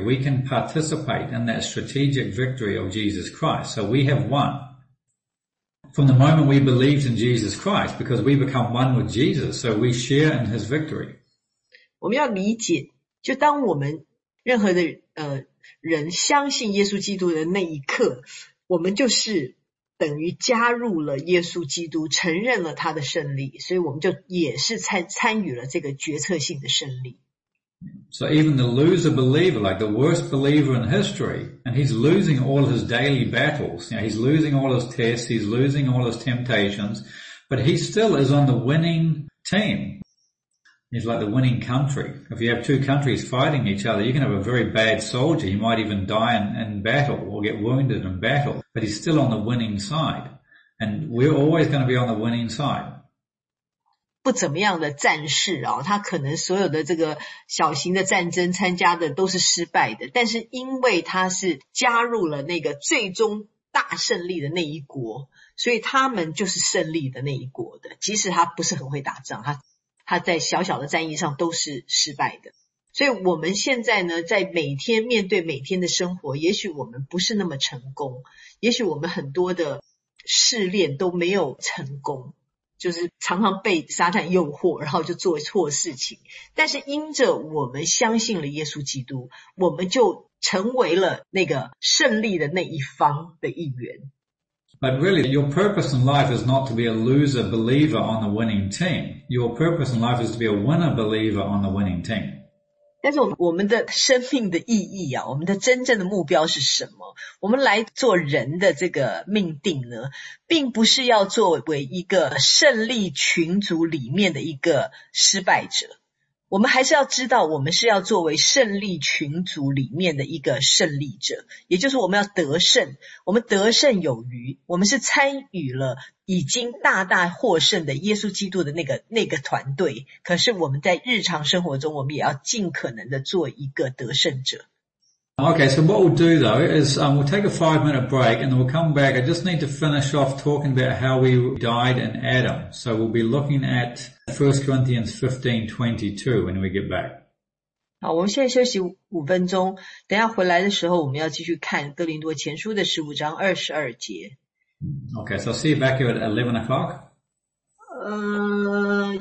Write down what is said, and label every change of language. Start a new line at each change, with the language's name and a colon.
English: We can participate in that strategic victory of Jesus Christ. So we have won. From the moment we believed in Jesus Christ, because we become one with Jesus, so we share in his victory.
Chinese: 我们要理解，就当我们任何的人相信耶稣基督的那一刻，我们就是等于加入了耶稣基督，承认了他的胜利，所以我们就也是参与了这个决策性的胜利。
English: So even the loser believer, like the worst believer in history, and he's losing all his daily battles, he's losing all his tests, he's losing all his temptations, but he still is on the winning team. He's like the winning country. If you have two countries fighting each other, you can have a very bad soldier. He might even die in battle or get wounded in battle, but he's still on the winning side. And we're always going to be on the winning side.
Chinese: 不怎么样的战士啊，他可能所有的这个小型的战争参加的都是失败的，但是因为他是加入了那个最终大胜利的那一国，所以他们就是胜利的那一国的，即使他不是很会打仗，他在小小的战役上都是失败的。所以我们现在呢，在每天面对每天的生活，也许我们不是那么成功，也许我们很多的试炼都没有成功，就是常常被撒旦诱惑，然后就做错事情。但是因着我们相信了耶稣基督，我们就成为了那个胜利的那一方的一员。
English: But really, your purpose in life is not to be a loser believer on the winning team. Your purpose in life is to be a winner believer on the winning team.
Chinese: 但是我们的生命的意义啊，我们的真正的目标是什么？我们来做人的这个命定呢，并不是要作为一个胜利群组里面的一个失败者。我们还是要知道，我们是要作为胜利群组里面的一个胜利者，也就是我们要得胜，我们得胜有余，我们是参与了已经大大获胜的耶稣基督的那个团队。可是我们在日常生活中，我们也要尽可能的做一个得胜者。
English: Okay, so what we'll do though is we'll take a 5-minute break and then we'll come back. I just need to finish off talking about how we died in Adam. So we'll be looking at 1 Corinthians 15:22 when we get back.
Chinese: 好，我们现在休息五分钟，等一下回来的时候我们要继续看哥林多前书的15章22节。
English: Okay, so I'll see you back here at 11 o'clock.